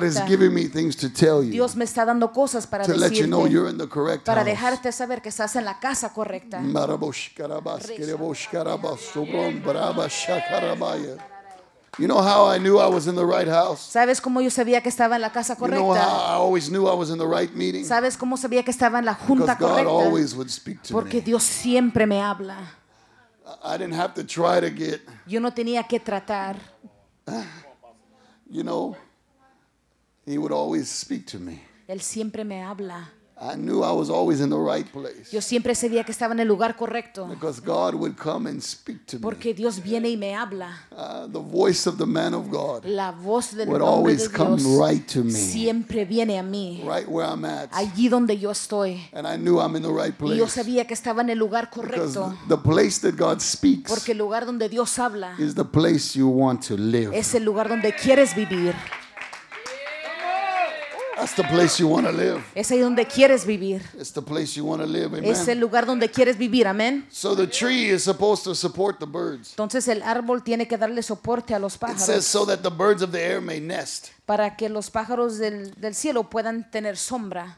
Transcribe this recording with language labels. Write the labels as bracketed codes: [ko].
[en] God is giving me things to tell you. [es] Dios me está dando cosas para [en] to [es] decirte. [en] To let you know you're in the correct [es] para [en] house. [es] Para dejarte saber que estás en la casa correcta. Marabosh karabas kerebosh karabas sobron brabash karabaya. [en] You know how I knew I was in the right house? [es] ¿Sabes cómo yo sabía que estaba en la casa correcta? [en] You know how I always knew I was in the right meeting? [es] ¿Sabes cómo sabía que estaba en la junta correcta? [en] Because God always would speak to me. [es] Porque Dios siempre me habla. [en] I didn't have to try to get. [es] Yo no tenía que tratar. [en] You know, he would always speak to me. [es] Él siempre me habla. [en] I knew I was always in the right place. [es] Yo siempre sabía que estaba en el lugar correcto. [en] Because God would come and speak to me. [es] Porque Dios viene y me habla. [en] The voice of the man of God. [es] La voz del hombre de Dios. [en] Would always come right to me. [es] Siempre viene a mí. [en] Right where I'm at. [es] Allí donde yo estoy. [en] And I knew I'm in the right place. [es] Y yo sabía que estaba en el lugar correcto. [en] Because the place that God speaks. [es] Porque el lugar donde Dios habla. [en] Is the place you want to live. [es] Es el lugar donde quieres vivir. [en] That's the place you want to live. [es] Es ahí donde quieres vivir. [en] It's the place you want to live. Amen. [es] Es el lugar donde quieres vivir. Amen. [en] So the tree is supposed to support the birds. [es] Entonces el árbol tiene que darle soporte a los pájaros. [en] It says so that the birds of the air may nest. [es] Para que los pájaros del cielo puedan tener sombra.